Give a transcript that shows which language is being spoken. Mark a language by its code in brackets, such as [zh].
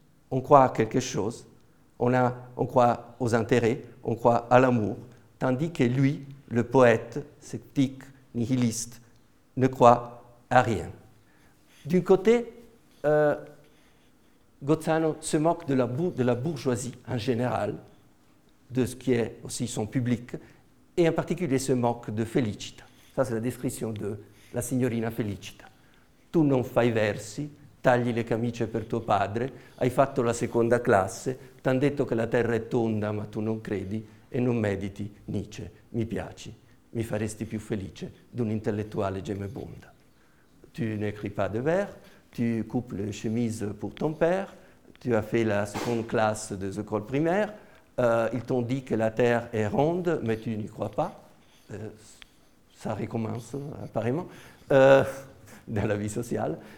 [fr] On croit à quelque chose, on croit aux intérêts, on croit à l'amour, tandis que lui, le poète, sceptique, nihiliste, ne croit à rien. D'un côté, Gozzano se moque de la bourgeoisie en général, de ce qui est aussi son public, et en particulier se moque de Felicita. Ça, c'est la description de la signorina Felicita. [it] Tu non fai versi, tagli le camicie per tuo padre, hai fatto la seconda classe, t'han detto che la terra è tonda, ma tu non credi e non mediti Nietzsche. Mi piaci, mi faresti più felice d'un intellettuale gemebonda. [fr] Tu n'écris pas de vers, tu coupes les chemises pour ton père, tu as fait la seconde classe de l'école primaire, ils t'ont dit que la terre est ronde, mais tu n'y crois pas. Ça recommence, apparemment, dans la vie sociale.